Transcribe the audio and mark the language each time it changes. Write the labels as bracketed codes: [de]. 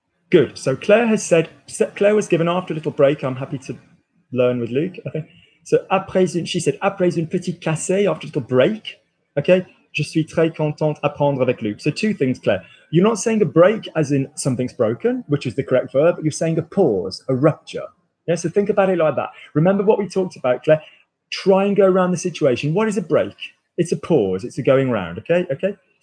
[en] Good. So Claire has said, Claire was given after a little break, I'm happy to learn with Luke. Okay. So après, she said, [fr] après une petite cassé, [en] after a little break. [fr] Okay. Je suis très contente apprendre avec Luke. [en] So two things, Claire. You're not saying a break as in something's broken, which is the correct verb. You're saying a pause, a rupture. Yeah. So think about it like that. Remember what we talked about, Claire. Try and go around the situation. What is a break? It's a pause. It's a going round. Okay. Okay.